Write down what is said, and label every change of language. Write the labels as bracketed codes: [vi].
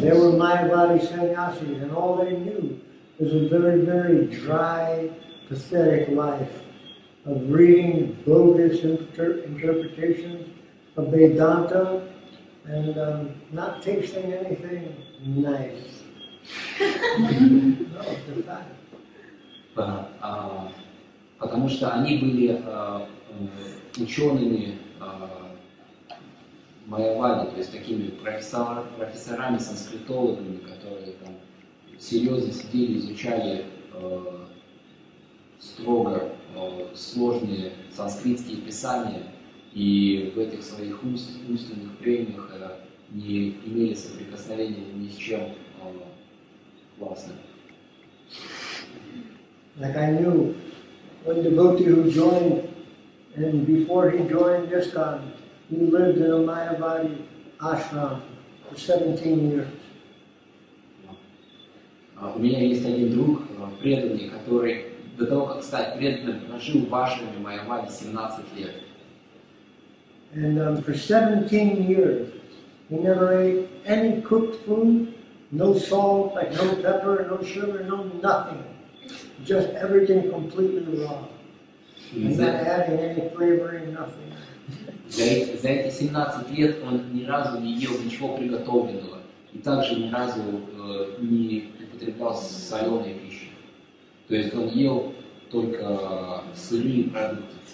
[en] They were Mayavadi sannyasis, and all they knew was a very, very dry, pathetic life of reading bogus interpretations of Vedanta and not tasting anything nice. No, the fact. [ru] Потому что они были учеными майявади, то есть такими профессорами, санскритологами, которые там серьезно сидели, изучали строго сложные санскритские писания, и в этих своих умственных прениях не имели соприкосновения ни с чем классным. [en] Like I knew, one devotee who joined, and before he joined ISKCON, he lived in a Mayavadi ashram for 17 years. [ru] У меня есть один друг, преданный, который до того, как стать преданным, прожил в ашраме Mayavadi 17 лет. [en] And for 17 years, he never ate any cooked food, no salt, like no pepper, no sugar, no nothing. Just everything completely raw. Not adding any flavoring, nothing. [ru] За эти 17 лет он ни разу не ел ничего приготовленного и также ни разу не употреблял соленой пищи. То есть он ел только сырые продукты.